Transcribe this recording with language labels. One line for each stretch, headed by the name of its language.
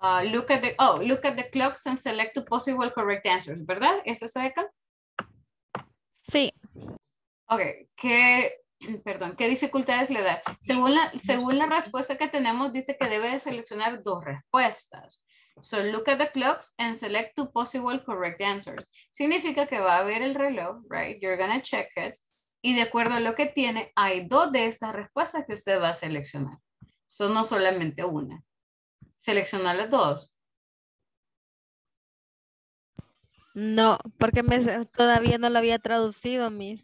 English: Look at the clocks and select the possible correct answers,
Spanish: ¿verdad? ¿Es esa de acá? Sí. Ok, ¿qué dificultades le da? Según la respuesta que tenemos, dice que debe de seleccionar 2 respuestas.
English: So look at the clocks and select 2 possible correct answers.
Spanish: Significa que va a ver el reloj, right?
English: You're gonna check it.
Spanish: Y de acuerdo a lo que tiene, hay 2 de estas respuestas que usted va a seleccionar. So no solamente una. Selecciona las 2. No, porque todavía no lo había traducido, Miss.